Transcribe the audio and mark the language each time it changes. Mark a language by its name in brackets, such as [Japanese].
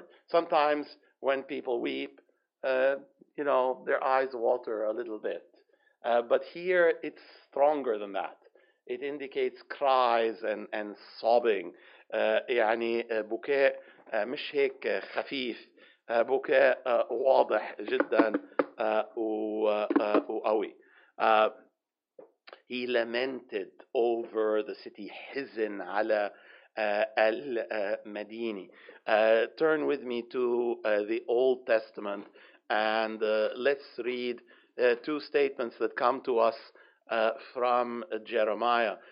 [English] Sometimes when people weep, you know, their eyes water a little bit. But here it's stronger than that. It indicates cries and sobbing. [Arabic] يعني بكاء مش هيك خفيف, بكاء واضح جدا وقوي. [English] He lamented over the city, [Arabic] حزن على المدينة. [English] Turn with me to the Old Testament and let's read two statements that come to us from Jeremiah.